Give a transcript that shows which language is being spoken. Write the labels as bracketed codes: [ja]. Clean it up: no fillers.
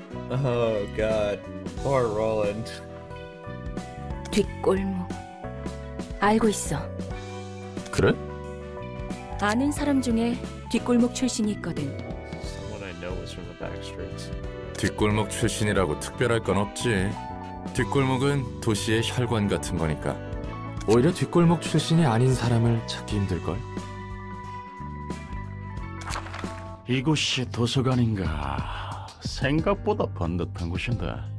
[en] Oh God. Poor Roland. [ko] 뒷골목. 알고 있어. 그래? 아는 사람 중에 뒷골목 출신이 있거든. [en] Someone I know was from the back streets. [ko] 뒷골목 출신이라고 특별할 건 없지. 뒷골목은 도시의 혈관 같은 거니까. 오히려 뒷골목 출신이 아닌 사람을 찾기 힘들걸? 이곳이 도서관인가? 생각보다 번듯한 곳인데.